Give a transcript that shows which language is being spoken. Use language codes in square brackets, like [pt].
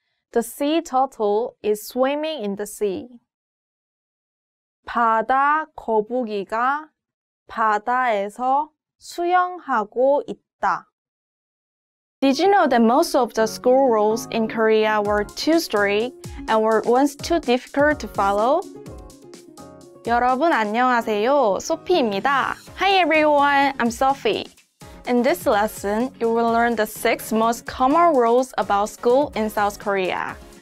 [en] The sea turtle is swimming in the sea. [ko] 바다 거북이가 바다에서 수영하고 있다. [en] Did you know that most of the school rules in Korea were too strict and were once too difficult to follow? [ko] 여러분 안녕하세요. 소피입니다. [en] Hi everyone, I'm Sophie. In this lesson, you will learn the 6 most common rules about school in South Korea.